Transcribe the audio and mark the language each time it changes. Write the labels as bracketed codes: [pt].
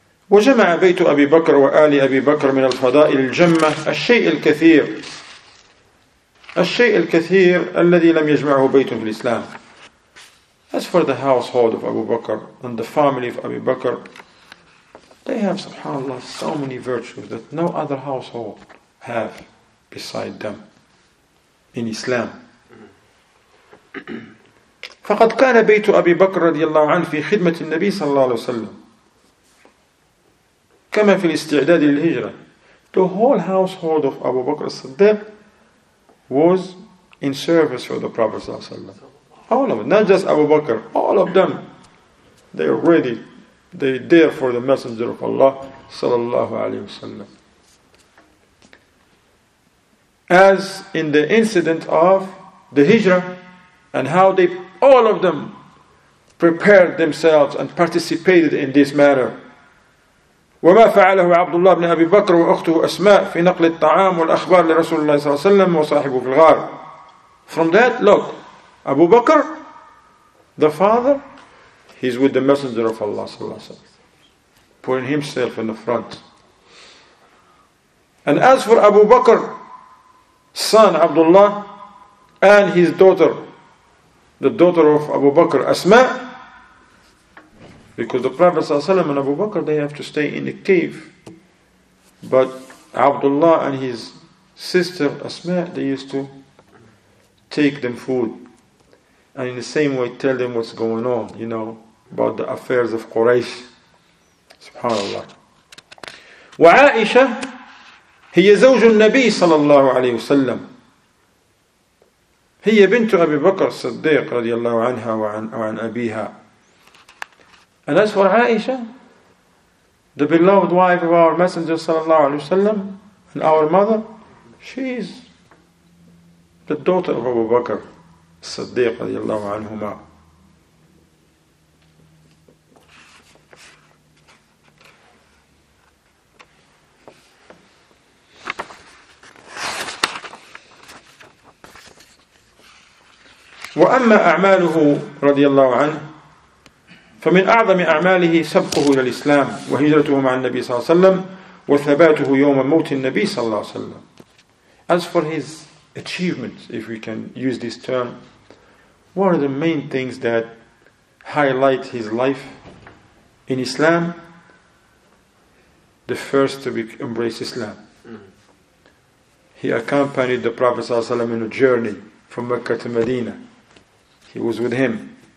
[ar] وجمع بيت أبي بكر وآل أبي بكر من الفضائل الجمة الشيء الكثير الشيء الكثير الذي لم يجمعه بيت في الإسلام. [en] As for the household of Abu Bakr and the family of Abu Bakr, they have, subhanAllah, so many virtues that no other household have beside them in Islam. [ar] فقد كان بيت أبي بكر رضي الله عنه في خدمة النبي صلى الله عليه وسلم كما في الاستعداد للهجرة. [en] The whole household of Abu Bakr as-Siddiq was in service for the Prophet صلى الله عليه وسلم. All of them, not just Abu Bakr, all of them, they are ready, they are there for the Messenger of Allah صلى الله عليه وسلم. As in the incident of the Hijrah and how they, all of them, prepared themselves and participated in this matter. [ar] وما فعله عبد الله بن أبي بكر وأخته أسماء في نقل الطعام والأخبار لرسول الله صلى الله عليه وسلم وصاحبه في الغار. [en] From that, look, Abu Bakr, the father, he's with the Messenger of Allah صلى الله عليه وسلم, putting himself in the front. And as for Abu Bakr, son Abdullah, and his daughter, the daughter of Abu Bakr, Asma, because the Prophet صلى الله عليه وسلم and Abu Bakr, they have to stay in the cave. But Abdullah and his sister Asma, they used to take them food. And in the same way, tell them what's going on, you know, about the affairs of Quraysh. SubhanAllah. [ar] وعائشة هي زوج النبي صلى الله عليه وسلم. هي بنت أبي بكر الصديق رضي الله عنها وعن أبيها. [en] And as for Aisha, the beloved wife of our Messenger sallallahu alaihi wasallam, and our mother, she is the daughter of Abu Bakr الصديق رضي الله عنهما. [ar] وأما أعماله رضي الله عنه فمن أعظم أعماله سبقه إلى الإسلام وهجرته مع النبي صلى الله عليه وسلم وثباته يوم موت النبي صلى الله عليه وسلم. [en] As for his achievements, if we can use this term, one of the main things that highlight his life in Islam, the first to embrace Islam. He accompanied the Prophet صلى الله عليه وسلم in a journey from Mecca to Medina. He was with him.